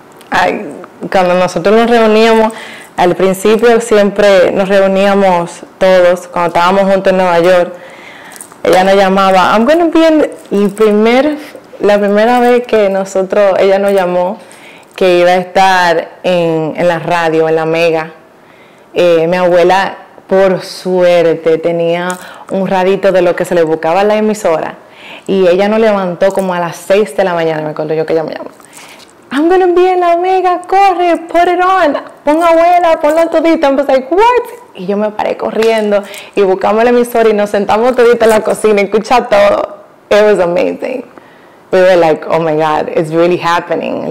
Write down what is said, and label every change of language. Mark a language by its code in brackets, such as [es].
[es] Ay, cuando nosotros nos reuníamos, al principio siempre nos reuníamos todos, cuando estábamos juntos en Nueva York, ella nos llamaba, [en] I'm going to be [es] la primera vez que nosotros, ella nos llamó, que iba a estar en la radio, en la mega. Mi abuela, por suerte, tenía un radito de lo que se le buscaba a la emisora. Y ella nos levantó como a las 6 de la mañana, me acuerdo yo que ella me llamó. [en] I'm gonna be in la mega, [es] corre, [en] put it on. [es] Pon abuela, ponlo todito. [en] I was like, what? [es] Y yo me paré corriendo y buscamos la emisora y nos sentamos todito en la cocina y escucha todo. [en] It was amazing. We were like, oh my God, it's really happening.